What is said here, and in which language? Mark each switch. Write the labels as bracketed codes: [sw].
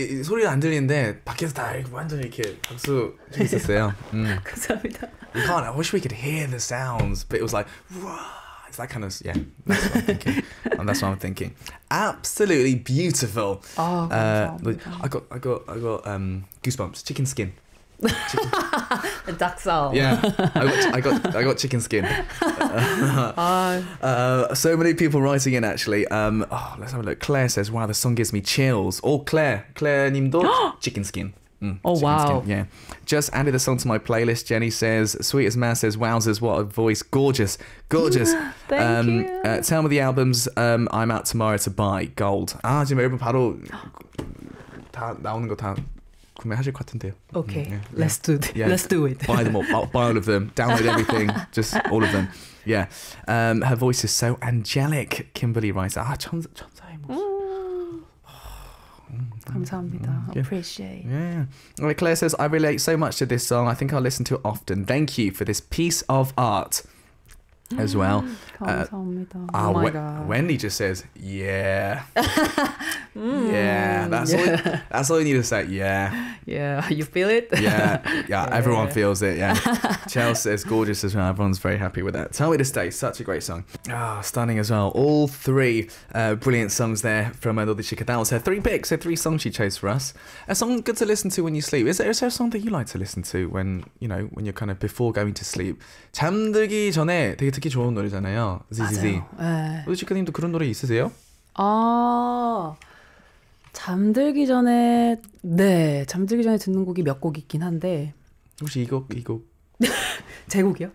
[ko] 소리가 안 들리는데 밖에서 다 완전 이렇게 박수 있었어요. 감사합니다. [en] I wish we could hear the sounds, but it was like, wow, it's that kind of, yeah, that's what I'm thinking. And that's what I'm thinking. Absolutely beautiful. Oh, I got goosebumps, chicken skin. Chicken. A duck sound. Yeah, I got chicken skin. So many people writing in actually. Let's have a look. Claire says, wow, the song gives me chills. Oh, Claire님도 chicken skin. Chicken skin. Yeah, just added the song to my playlist. Jenny says, sweet as man says, wowzers, what a voice. Gorgeous. Thank you. Tell me the albums I'm out tomorrow to buy. Gold. [ko] 아, 지금 여러분 바로 다 나오는 거 다 구매하실 것 같은데요. [en] Okay, let's do it. Buy all of them, download everything, just all of them. Yeah, her voice is so angelic. Kimberly writes, [ko] 아, 천사의 모습. 감사합니다. [en] Appreciate. Yeah. Well, Claire says, I relate so much to this song. I think I'll listen to it often. Thank you for this piece of art as well. [ko] 감사합니다. [en] Oh my God. Wendy just says, yeah. That's all you need to say. Yeah. Yeah. You feel it? Yeah. Everyone feels it. Yeah. Chelsea is gorgeous as well. Everyone's very happy with that. Tell Me to Stay. Such a great song. Ah, stunning as well. All three brilliant songs there from Nody Cika. That was her three picks, her three songs she chose for us. A song good to listen to when you sleep. Is there a song that you like to listen to when, you know, when you're kind of before going to sleep? [ko] 잠들기 전에 되게 듣기 좋은 노래잖아요. ZZZ. 맞아요. 노디 치카님도 그런 노래 있으세요? 아, 잠들기 전에, 네, 잠들기 전에 듣는 곡이 몇 곡 있긴 한데. 혹시 이 곡? 제 곡이요?